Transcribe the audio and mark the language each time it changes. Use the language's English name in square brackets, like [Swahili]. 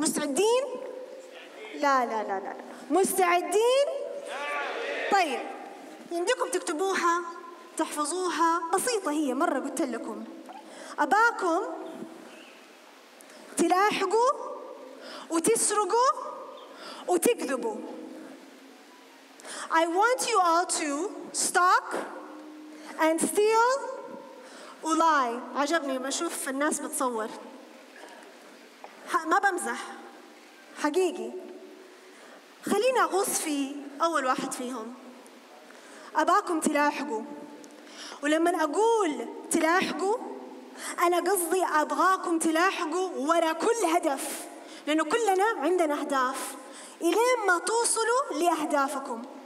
[Arabic] مستعدين؟ لا لا لا لا مستعدين؟ طيب عندكم تكتبوها تحفظوها، بسيطة هي مرة قلت لكم. أباكم تلاحقوا وتسرقوا وتكذبوا. [English] I want you all to stalk and steal and lie. [Arabic] عجبني بشوف الناس بتصور، ما بمزح حقيقي. خلينا أغوص في أول واحد فيهم. أباكم تلاحقوا، ولما أقول تلاحقوا أنا قصدي أبغاكم تلاحقوا وراء كل هدف، لأنه كلنا عندنا أهداف إلين ما توصلوا لأهدافكم.